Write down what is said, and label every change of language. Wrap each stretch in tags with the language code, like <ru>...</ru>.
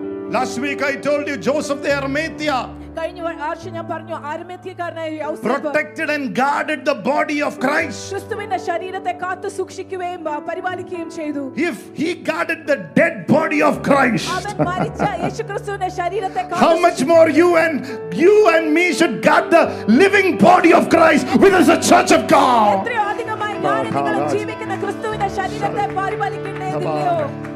<en>Last week I told you Joseph the Arimathea.</en> <ml>കഴിഞ്ഞ ആഴ്ച ഞാൻ പറഞ്ഞു അർമേത്യക്കാരനായ യോസേഫ്</ml> <en>protected and guarded the body of Christ.</en> <ml>ക്രിസ്തുവിന്റെ ശരീരത്തെ കാത്തു സൂക്ഷിക്കുകയും പരിപാലിക്കുകയും ചെയ്തു.</ml> <en>If he guarded the dead body of Christ.</en> <ml>അവൻ മരിച്ച യേശുക്രിസ്തുവിന്റെ ശരീരത്തെ കാത്തു.</ml> <en>How much more you and me should guard the living body of Christ with us, the church of God.</en> <ml>എത്രയോ അധികമായി നാളെ ജീവിക്കുന്ന ക്രിസ്തുവിന്റെ ശരീരത്തെ പരിപാലിക്കേണ്ടതില്ലയോ?</ml>